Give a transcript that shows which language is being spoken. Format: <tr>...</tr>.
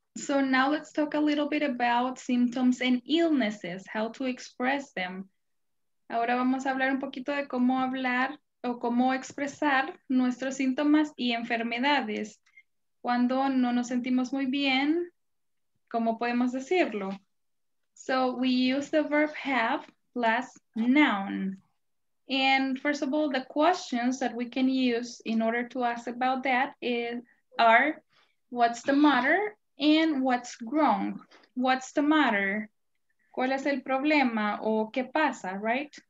<en>So now let's talk a little bit about symptoms and illnesses, how to express them.</en> <es>Ahora vamos a hablar un poquito de cómo hablar o cómo expresar nuestros síntomas y enfermedades. Cuando no nos sentimos muy bien, ¿cómo podemos decirlo?</es> <en>So we use the verb have plus noun. And first of all, the questions that we can use in order to ask about that are what's the matter and what's wrong? What's the matter?</en> <es>¿Cuál es el problema o qué pasa, right?</es>